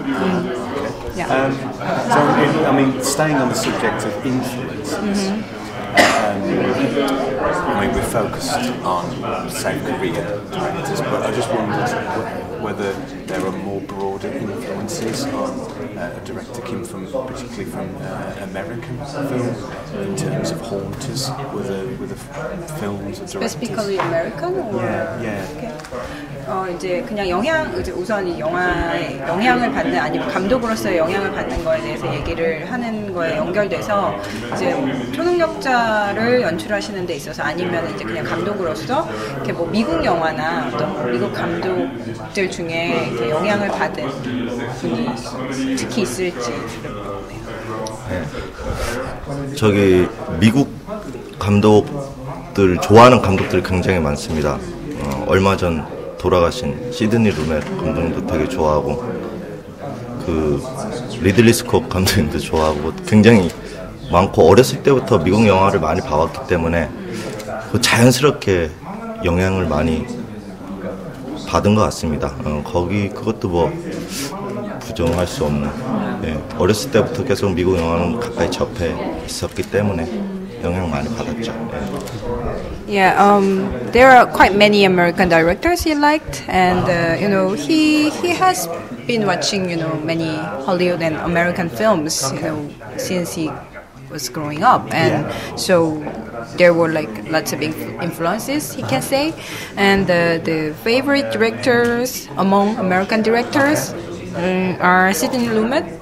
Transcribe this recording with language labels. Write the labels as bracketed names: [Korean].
[English] So, staying on the subject of influence, we're focused on South Korean directors, but I just wondered whether there are more broader influences on a director came from, particularly from American film, in terms of haunters with the films and directors. Specifically American? Or? Yeah. Okay. [Korean] 이제 그냥 영향, 이제 우선 이 영화의 영향을 받는, 아니면 감독으로서의 영향을 받는 거에 대해서 얘기를 하는 거에 연결돼서 이제 초능력자를 연출하시는 데 있어서 아니면 이제 그냥 감독으로서 이렇게 뭐 미국 영화나 어떤 미국 감독들 중에 이렇게 영향을 받은 분이 특히 있을지. 저기 미국 감독들 좋아하는 감독들이 굉장히 많습니다. 얼마 전 돌아가신 시드니 루멜 감독님도 되게 좋아하고 그 리들리 스콧 감독님도 좋아하고 굉장히 많고 어렸을 때부터 미국 영화를 많이 봐왔기 때문에 자연스럽게 영향을 많이 받은 것 같습니다. 거기 그것도 뭐 부정할 수 없는 어렸을 때부터 계속 미국 영화는 가까이 접해 있었기 때문에 영향 많이 받았죠. [English] Yeah, there are quite many American directors he liked, and you know, he has been watching, you know, many Hollywood and American films, you know, since he was growing up, and so there were like lots of influences, he can say, and the favorite directors among American directors are Sidney Lumet.